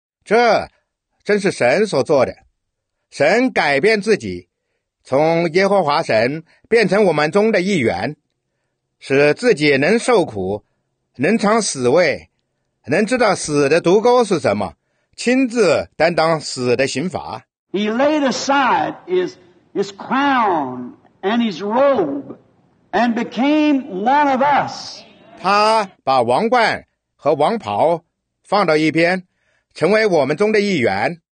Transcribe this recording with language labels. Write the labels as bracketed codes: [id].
[zh] 这真是神所做的。神改变自己，从耶和华神变成我们中的一员，使自己能受苦，能尝死味，能知道死的毒钩是什么，亲自担当死的刑罚。 [en] He laid aside his crown and his robe and became one of us. [zh] 他把王冠和王袍放到一边，成为我们中的一员。